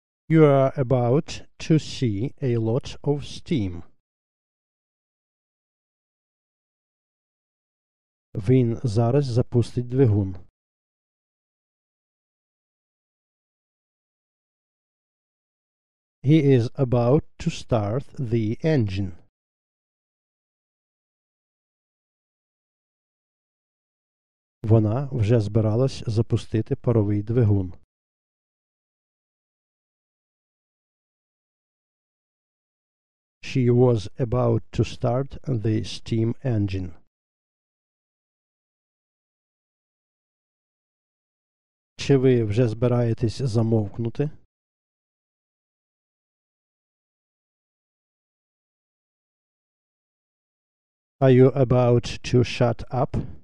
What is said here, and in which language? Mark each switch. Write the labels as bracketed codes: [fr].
[en] You are about to see a lot of steam. [uk] Він зараз запустить двигун. [en] He is about to start the engine. [uk] Вона вже збиралась запустити паровий двигун. [en] She was about to start the steam engine. [uk] Чи ви вже збираєтесь замовкнути? [en] Are you about to shut up?